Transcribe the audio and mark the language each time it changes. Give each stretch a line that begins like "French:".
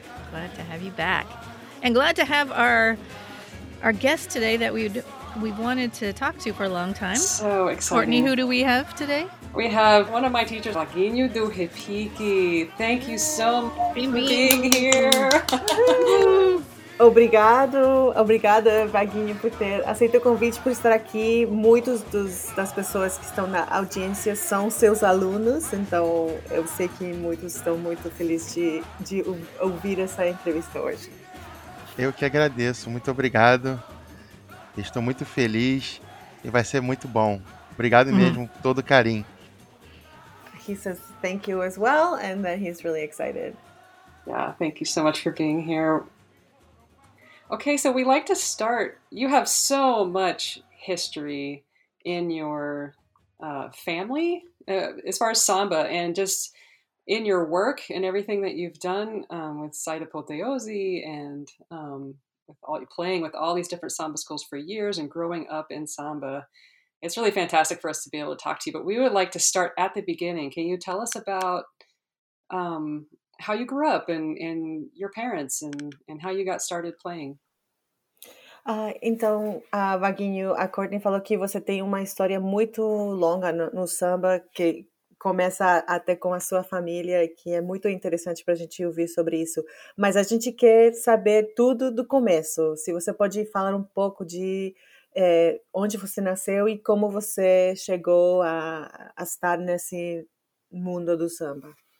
English: Glad to have you back. And glad to have our guest today that we've wanted to talk to for a long time. So exciting. Courtney, who do we have today? We have one of my teachers, Waguinho do Repique. Thank you so much for being here.
Portuguese: Obrigado, Waguinho, por ter aceito o convite, por estar aqui. Muitos das pessoas que estão na audiência são seus alunos, então eu sei que muitos estão muito felizes de ouvir essa entrevista hoje. Eu que agradeço, muito obrigado. Estou muito feliz e vai ser muito bom. Obrigado mesmo, por todo carinho.
English: He says thank you as well, and that he's really excited. Yeah, thank you so much for being here. Okay, so we like to start. You have so much history in your family as far as samba and just in your work and everything that you've done with Saida Poteyozi and with all playing with all these different samba schools for years and growing up in samba. It's really fantastic for us to be able to talk to you, but we would like to start at the beginning. Can you tell us about how you grew up and your parents and how you got started playing?
Portuguese: Então, a Waguinho, a Courtney falou que você tem uma história muito longa no samba, que começa até com a sua família, que é muito interessante para a gente ouvir sobre isso. Mas a gente quer saber tudo do começo. Se você pode falar um pouco de onde você nasceu e como você chegou a estar nesse mundo do samba.